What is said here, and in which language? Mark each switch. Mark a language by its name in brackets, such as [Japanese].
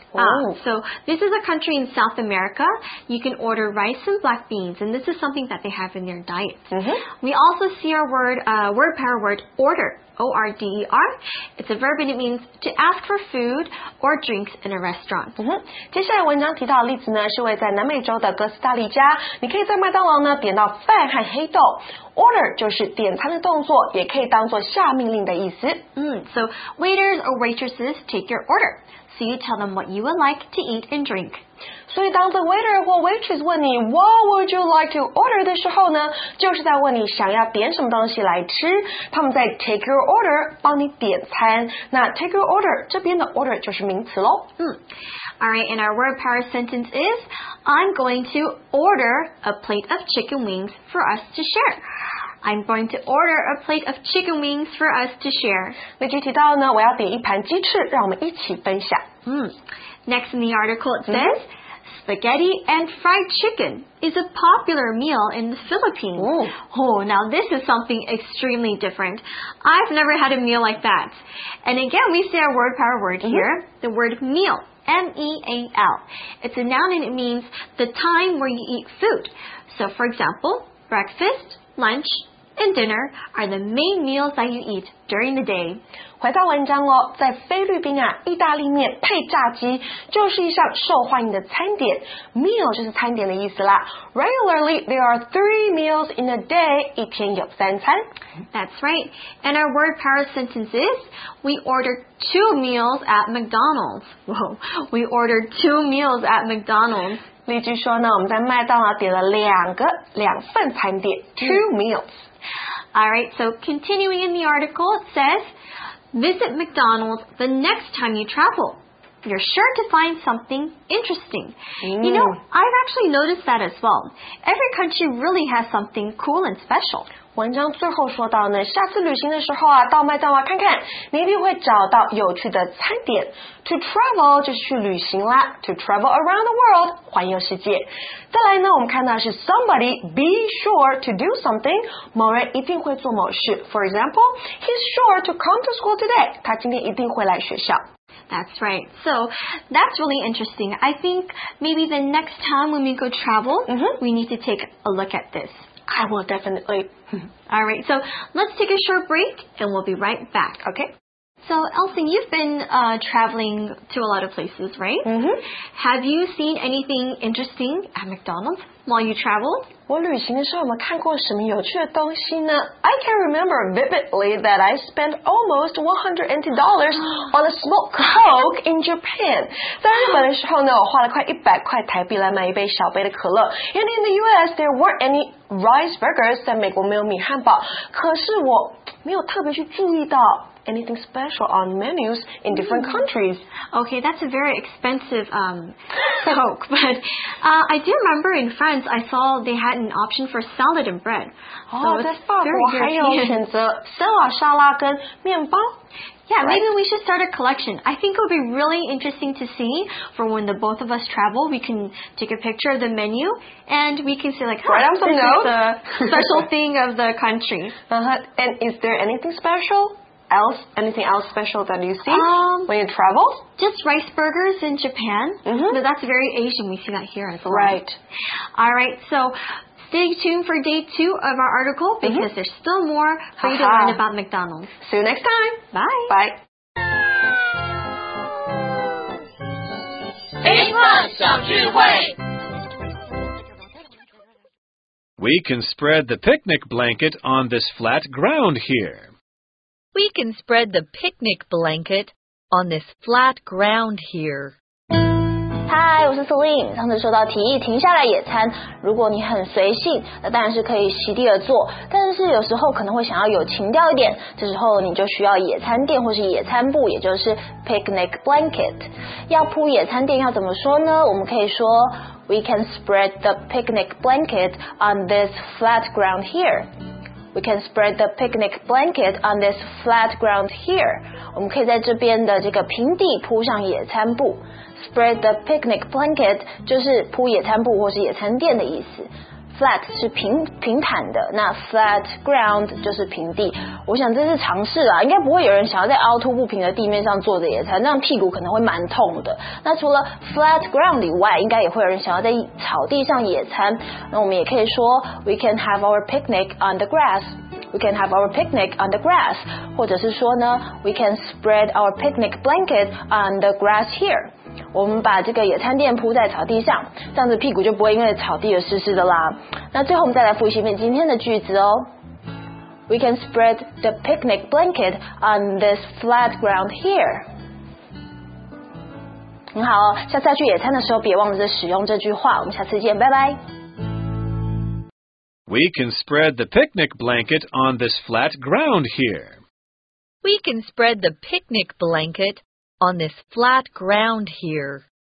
[English] So this is a country in South America. You can order rice and black beans, and this is something that they have in their diet. Mm-hmm. We also see our word pair word, order, O-R-D-E-R. It's a verb and it means to ask for food or drinks in a restaurant. Mm-hmm. [Chinese] 接下来文章提到的例子呢，是位在南美洲的哥斯达黎加，你可以在麦当劳呢点到饭和黑豆。 Order 就是点餐的动作，也可以当作下命令的意思。 [English] So waiters or waitresses take your order. So you tell them what you would like to eat and drink. [Chinese] 所以当这 waiter 或 waitress 问你 [English] what would you like to order [Chinese] 的时候呢，就是在问你想要点什么东西来吃。他们在 [English] take your order [Chinese] 帮你点餐。那 take your order 这边的 order 就是名词咯。 [English] All right, and our word pair sentence is, I'm going to order a plate of chicken wings for us to share. I'm going to order a plate of chicken wings for us to share. [Chinese] 那具体到呢，我要点一盘鸡翅，让我们一起分享。 [English] Next in the article it says,Spaghetti and fried chicken is a popular meal in the Philippines. Oh, now this is something extremely different. I've never had a meal like that. And again, we see our word power word here, the word meal, M-E-A-L. It's a noun and it means the time where you eat food. So for example, breakfast, lunch, and dinner are the main meals that you eat during the day. [Chinese] 回到文章哦，在菲律宾啊，意大利面配炸鸡就是一项受欢迎的餐点。 [English] Meal [Chinese] 就是餐点的意思啦。 [English] Regularly, there are 3 meals in a day. [Chinese] 一天有三餐。 [English] That's right. And our word pair sentence is, we ordered 2 meals at McDonald's. Whoa, we ordered 2 meals at McDonald's. [Chinese] 例句说呢，我们在麦当劳点了两份餐点。 [English] 2 meals. Alright, so continuing in the article, it says,Visit McDonald's the next time you travel. You're sure to find something interesting. You know, I've actually noticed that as well. Every country really has something cool and special. [Chinese] 文章最后说到呢，下次旅行的时候啊，到麦当劳看看，你一定会找到有趣的餐点。 [English] To travel [Chinese] 就是去旅行啦。 [English] To travel around the world, [Chinese] 环游世界。再来呢，我们看到是 [English] somebody be sure to do something, [Chinese] 某人一定会做某事。 [English] For example, he's sure to come to school today. [Chinese] 他今天一定会来学校。 [English] That's right. So, that's really interesting. I think maybe the next time when we go travel, we need to take a look at this. I will definitely. All right. So, let's take a short break and we'll be right back. Okay. So, Elsie, you've been traveling to a lot of places, right? Mm-hmm. Have you seen anything interesting at McDonald's while you traveled? [Chinese] 我旅行的时候有没有看过什么有趣的东西呢? [English] I can remember vividly that I spent almost $120 on a small Coke in Japan. [Chinese] 在日本的时候呢，我花了快100块台币来买一杯小杯的可乐。 [English] And in the US, there weren't any rice burgers. [Chinese] 在美国没有米汉堡。可是我没有特别去注意到。 [English] Anything special on menus in different countries? Okay, that's a very expensive Coke. But I do remember in France, I saw they had an option for salad and bread. Oh, that's very European. [Chinese] 还有选择沙拉、沙拉跟面包。 [English] Yeah, right. Maybe we should start a collection. I think it would be really interesting to see for when the both of us travel. We can take a picture of the menu and we can say like, write down some notes. The special thing of the country. Uh-huh. And is there anything special? Anything else special that you see when you travel? Just rice burgers in Japan. Mm-hmm. But that's very Asian. We see that here as well. Right. All right. So stay tuned for day two of our article because there's still more for you to learn about McDonald's. See you next time. Bye. Bye. We can spread the picnic blanket on this flat ground here. We can spread the picnic blanket on this flat ground here. [Chinese] 嗨，我是 Celine。上次说到提议停下来野餐，如果你很随性，那当然是可以席地而坐，但是有时候可能会想要有情调一点，这时候你就需要野餐垫或是野餐布，也就是 picnic blanket。要铺野餐垫要怎么说呢？我们可以说 [English] We can spread the picnic blanket on this flat ground here。 We can spread the picnic blanket on this flat ground here. [Chinese] 我们可以在这边的这个平地铺上野餐布。 [English] Spread the picnic blanket [Chinese] 就是铺野餐布或是野餐垫的意思。 Flat 是平坦的，那 flat ground 就是平地。我想这是尝试啦，应该不会有人想要在凹凸不平的地面上坐着野餐，那样屁股可能会蛮痛的。那除了 flat ground 以外，应该也会有人想要在草地上野餐。那我们也可以说 [English] we can have our picnic on the grass。 We can have our picnic on the grass， [Chinese] 或者是说呢 [English] ，we can spread our picnic blanket on the grass here。 [Chinese] 我们把这个野餐垫铺在草地上，这样子屁股就不会因为草地而湿湿的啦。那最后我们再来复习一遍今天的句子哦。 [English] We can spread the picnic blanket on this flat ground here。 [Chinese] 很好哦，下次要去野餐的时候别忘了使用这句话。我们下次见，拜拜。 [English] We can spread the picnic blanket on this flat ground here. We can spread the picnic blanket on this flat ground here.